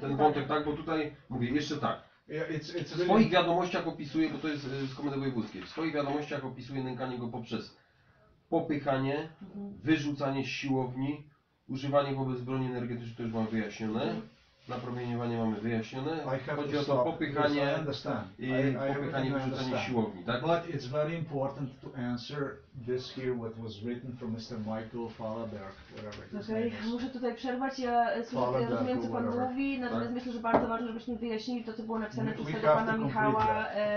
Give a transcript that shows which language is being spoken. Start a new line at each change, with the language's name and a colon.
Polish: ten wątek, tak, bo tutaj mówię, jeszcze tak. W swoich wiadomościach opisuję, bo to jest z Komendy Wojewódzkiej, w swoich wiadomościach opisuję nękanie go poprzez popychanie, wyrzucanie z siłowni, używanie wobec broni energetycznej, to już mam wyjaśnione. Napromieniowanie mamy wyjaśnione. Chodzi o to popychanie I wyrzucanie siłowni. Tak?
English: But it's very important to answer this here what was written from Mr. Michael Fallaberg,
Polish: muszę tutaj przerwać. Ja słucham, rozumiem, co pan mówi. Natomiast myślę, że bardzo ważne, żebyśmy wyjaśnili to, co było napisane przez tego pana Michała